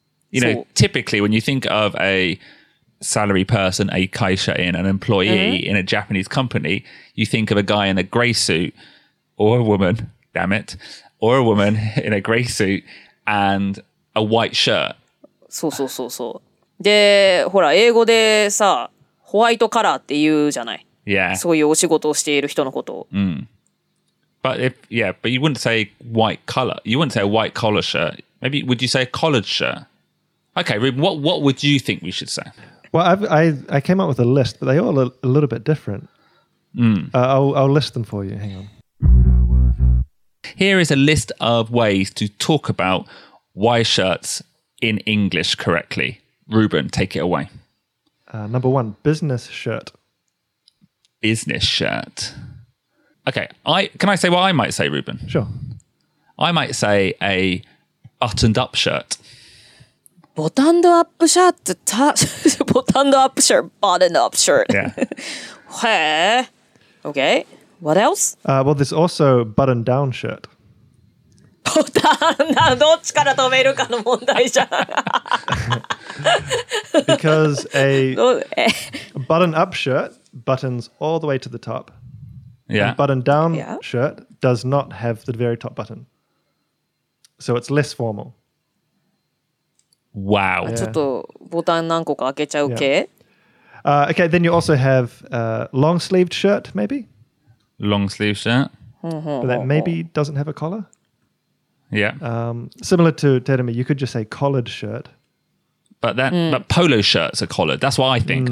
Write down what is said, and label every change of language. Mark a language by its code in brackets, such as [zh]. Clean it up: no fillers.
[en] You know, typically when you think of a salary person, a kaisha in, an employee in a Japanese company, you think of a guy in a grey suit or a woman, damn it, or a woman in a grey suit and a white shirt. [ja] そうそうそうそう。で、ほら、英語でさ、ホワイトカラーって言うじゃない。 [en] Yeah. [ja] そういうお仕事をしている人のことを。 Mm. [en] But if, yeah, but you wouldn't say white collar. You wouldn't say a white collar shirt. Maybe, would you say a collared shirt? Okay, Ruben, what would you think we should say? Well, I came up with a list, but they all are a little bit different. I'll list them for you. Hang on. Here is a list of ways to talk about Y shirts in English correctly. Ruben, take it away. Number one, business shirt. Business shirt. Okay, can I say what I might say, Ruben? Sure. I might say a buttoned up shirt. [ja] ボタンドアップシャツ、ボタンドアップシャツ、ボタンドアップシャ [en] ツ。Yeah. へぇ。Okay. What else? Well, there's also button down shirt. [ja] ボタンダウン、どっちから止めるかの問題じゃん。 [en] Because a button up shirt buttons all the way to the top. Yeah. A button down shirt does not have the very top button. So it's less formal. Wow. Yeah. [ja] ちょっとボタン何個か開けちゃう系、 [en] yeah. Okay, then you also have a long-sleeved shirt, maybe? Long-sleeved shirt. But that maybe doesn't have a collar? Yeah. Similar to Terumi, you could just say collared shirt. But, that,、mm. but polo shirts are collared. That's what I think.、Mm.